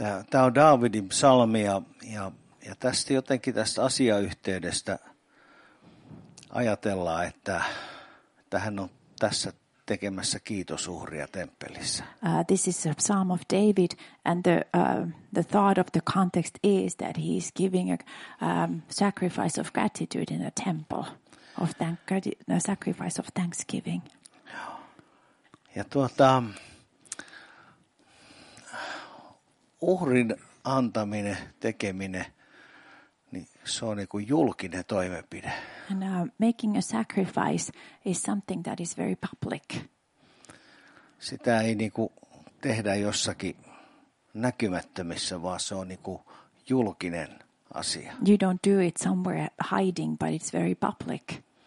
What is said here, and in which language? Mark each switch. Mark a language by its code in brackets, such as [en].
[fi] Tämä on Daavidin psalmi ja tästä jotenkin tästä asiayhteydestä ajatellaan, että hän on tässä tekemässä kiitosuhria temppelissä. [en] This is a psalm of David and the thought of the context is that he is giving a sacrifice of gratitude in a temple of sacrifice of thanksgiving. [fi] Ja uhrin antaminen, tekeminen, niin se on niin kuin julkinen toimenpide. [en] And making a sacrifice is something that is very public. [fi] Sitä ei niinku tehdä jossakin näkymättömissä, vaan se on niinku julkinen asia. [en] You don't do it somewhere hiding, but it's very public.